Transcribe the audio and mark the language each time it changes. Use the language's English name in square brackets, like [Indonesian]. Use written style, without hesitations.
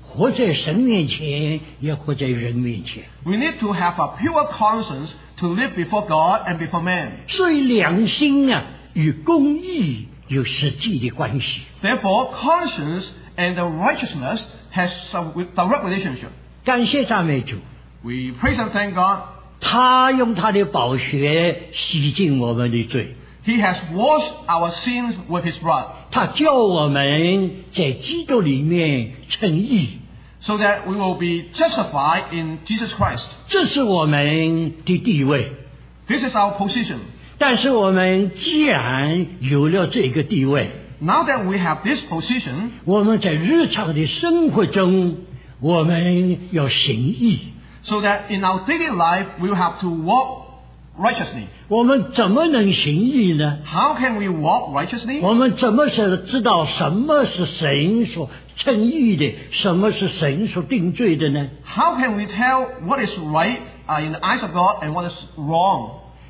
[English] We need to have a pure conscience to live before God and before man. [Chinese] 所以良心啊,与公义有实际的关系。 [English] Therefore, conscience and the righteousness has a direct relationship. [Chinese] 感谢赞美主。 [English] We praise and thank God. [Chinese] 他用他的宝血洗净我们的罪。 [English] He has washed our sins with his blood. [Chinese] 他叫我们在基督里面称义。 [English] So that we will be justified in Jesus Christ. [Chinese] 这是我们的地位。 [English] This is our position. [Chinese] 但是我们既然有了这个地位, [English] Now that we have this position, [Chinese] 我们在日常的生活中, 我们要行义。 [English] So that in our daily life, we will have to walk righteously. [Chinese] 我们怎么能行义呢? [English] How can we walk righteously? [Chinese] 我们怎么知道什么是神所 称义的, [English] How can we tell what is right in the eyes of God and what is wrong?